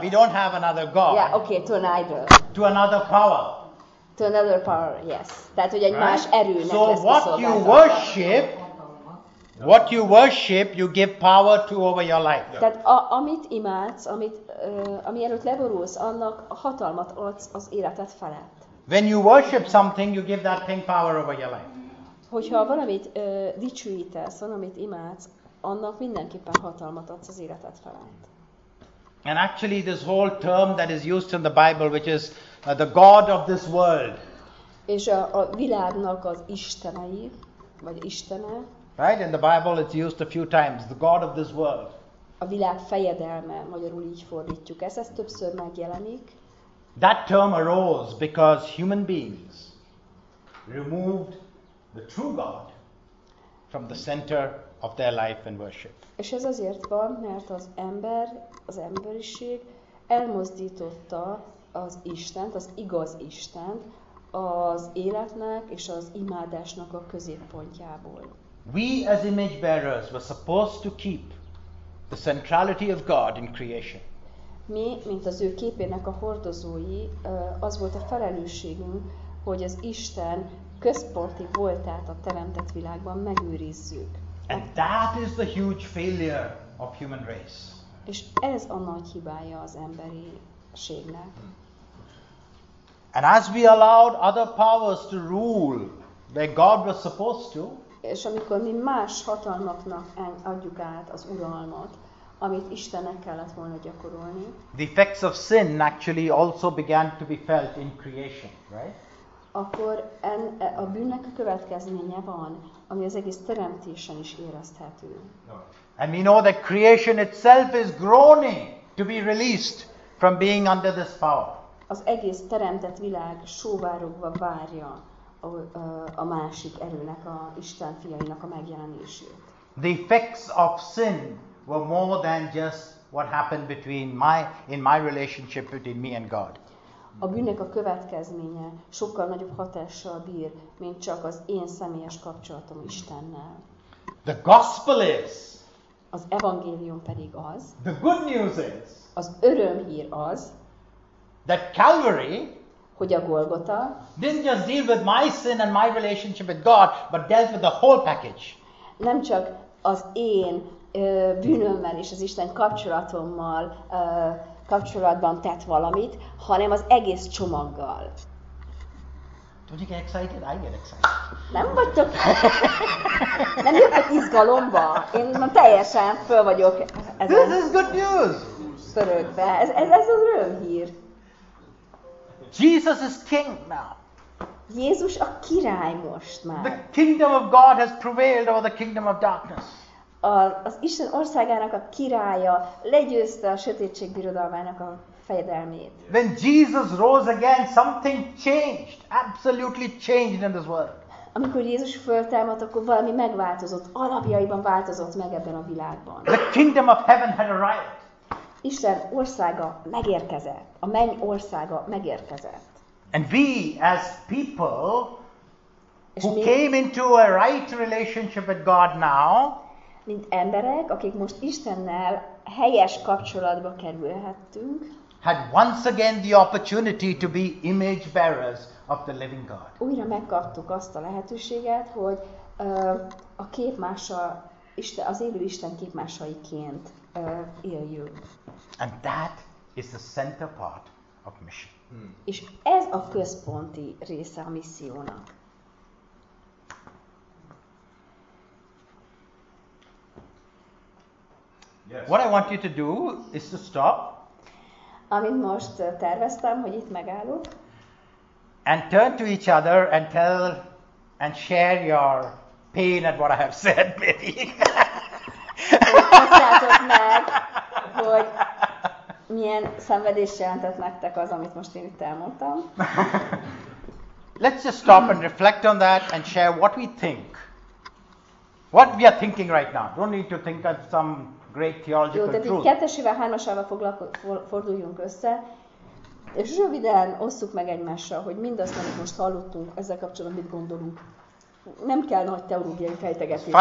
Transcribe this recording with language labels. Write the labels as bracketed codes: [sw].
[en] We don't have another God. Yeah, okay, to an idol. To another power. To another power, yes. [hu] Tehát, hogy egy right? más erőnek [en] so what you worship, what you worship, you give power to over your life. Yeah. [hu] Tehát amit imádsz, ami előtt leborulsz, annak hatalmat adsz az életed felett. [en] When you worship something, you give that thing power over your life. [hu] Hogyha valamit dicsőítesz, valamit imádsz, annak mindenképpen hatalmat adsz az életed felett. [en] And actually this whole term that is used in the Bible, which is the God of this world. [hu] És a világnak az istenei, vagy istene. [en] Right, in the Bible it's used a few times, the God of this world. [hu] A világ fejedelme, magyarul így fordítjuk. Ez többször megjelenik. [en] That term arose because human beings removed the true God from the center of their life and worship. [hu] És ez azért van, mert az ember, az emberiség elmozdította az Istent, az igaz Istent az életnek és az imádásnak a középpontjából. [en] We as image bearers were supposed to keep the centrality of God in creation. [hu] Mi, mint az ő képének a hordozói, az volt a felelősségünk, hogy az Isten központi voltát a teremtett világban megőrizzük. [en] And that is the huge failure of human race. [hu] És ez a nagy hibája az emberiségnek. [en] And as we allowed other powers to rule where God was supposed to, [hu] és amikor mi más hatalmaknak adjuk át az uralmat, amit Istennek kellett volna gyakorolni. [en] The effects of sin actually also began to be felt in creation, right? [hu] Akkor a bűnnek a következménye van, ami az egész teremtésen is érezhető. [en] And we know that creation itself is groaning to be released from being under this power. [hu] Az egész teremtett világ sóvárogva várja a másik erőnek, a Isten fiainak a megjelenését. [en] The effects of sin were more than just what happened between my relationship between me and God. [hu] A bűnnek a következménye sokkal nagyobb hatással bír, mint csak az én személyes kapcsolatom Istennel. [en] The gospel is. [hu] Az evangélium pedig az. [en] The good news is. [hu] Az örömhír az. [en] That Calvary. [hu] Hogy a Golgota. [en] Didn't just deal with my sin and my relationship with God, but dealt with the whole package. [hu] Nem csak az én bűnömmel és az Isten kapcsolatommal kapcsolatban tett valamit, hanem az egész csomaggal. [en] Don't you get excited? I get excited. [hu] Nem vagytok? Nem jöttök izgalomba? Én már teljesen föl vagyok ezen. [en] This is good news! [hu] Pörögve. Ez az örömhír. [en] Jesus is king now. [hu] Jézus a király most már. [en] The kingdom of God has prevailed over the kingdom of darkness. [hu] Az Isten országának a királya legyőzte a sötétség birodalmának a fejedelmét. [en] When Jesus rose again, something changed. Absolutely changed in this world. [hu] Amikor Jézus föltámadt, akkor valami megváltozott. Alapjaiban változott meg ebben a világban. [en] The kingdom of heaven had arrived. [hu] Isten országa megérkezett. A menny országa megérkezett. [en] And we as people who came into a right relationship with God now, [hu] mint emberek, akik most Istennel helyes kapcsolatba kerülhettünk, [en] had once again the opportunity to be image bearers of the living God. [hu] Újra megkaptuk azt a lehetőséget, hogy a képmása, az élő Isten képmásaiként éljünk. [en] And that is the center part of mission. [hu] És ez a központi része a missziónak. [en] Yes. What I want you to do is to stop. [hu] Amit most terveztem, hogy itt megállok. [en] And turn to each other and tell and share your pain at what I have said, maybe. [hu] Mondjátok meg, hogy mi milyen szenvedés jelentett nektek az, amit most én itt elmondtam. [en] Let's just stop and reflect on that and share what we think. What we are thinking right now. Don't need to think of some great theological truth. [hu] Jó, tehát így kettesével, hármasával forduljunk össze, és röviden osszuk meg egymással, hogy mindazt, amit most hallottunk, ezzel kapcsolatban mit gondolunk. Nem kell nagy teológiai fejtegetést.